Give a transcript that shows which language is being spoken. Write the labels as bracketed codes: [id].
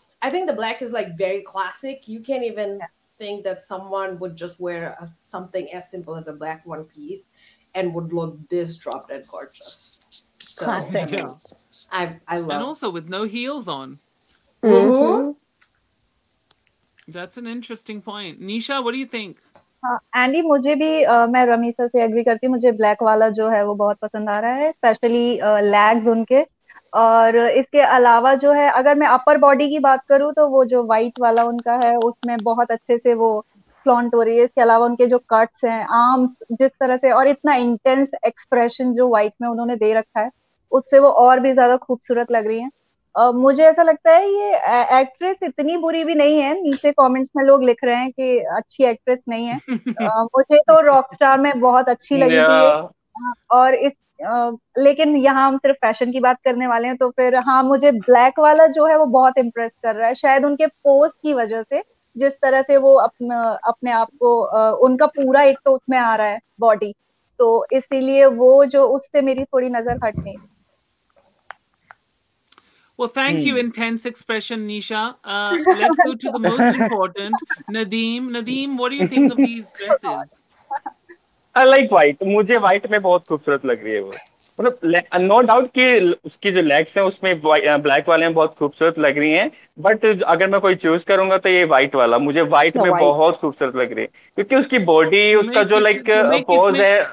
[en] I think the black is like very classic. You can't even think that someone would just wear something as simple as a black one piece and would look this drop dead gorgeous. So, classic. Yeah. I love. And also with no heels on. Mm-hmm. That's an interesting point. Nisha, what do you think? [hi] Andy, मुझे भी मैं रमीसा से agree करती हूँ. मुझे black वाला जो है वो बहुत पसंद आ रहा है, [en] specially legs [hi] उनके. और इसके अलावा जो है, अगर मैं [en] upper body [hi] की बात करूँ तो वो जो white वाला उनका है उसमें बहुत अच्छे से वो flaunt हो रही है. इसके अलावा उनके जो cuts हैं, arms जिस तरह से, और इतना [en] intense expression [hi] जो white में उन्होंने दे रखा है, उससे वो और भी ज्यादा खूबसूरत लग रही है. मुझे ऐसा लगता है ये एक्ट्रेस इतनी बुरी भी नहीं है. नीचे कमेंट्स में लोग लिख रहे हैं कि अच्छी एक्ट्रेस नहीं है. मुझे तो रॉकस्टार में बहुत अच्छी लगी थी. और इस लेकिन यहाँ हम सिर्फ फैशन की बात करने वाले हैं, तो फिर हाँ, मुझे ब्लैक वाला जो है वो बहुत इम्प्रेस कर रहा है. शायद उनके पोज की वजह से, जिस तरह से वो अपने आप को, उनका पूरा एक तो उसमें आ रहा है बॉडी, तो इसीलिए वो जो उससे मेरी थोड़ी नजर हट गई. [en] Well, thank you, intense expression, Nisha. Let's go to the most important, Nadeem. Nadeem, what do you think of these dresses? I like white. [hi] मुझे white में बहुत खूबसूरत लग रही है वो. मतलब [en] no doubt [hi] कि उसकी जो legs हैं उसमें black वाले हैं बहुत खूबसूरत लग रही हैं. [en] But [hi] अगर मैं कोई choose करूँगा तो ये white वाला मुझे white में बहुत खूबसूरत लग रही है क्योंकि उसकी body उसका जो [en] like pose [hi] है.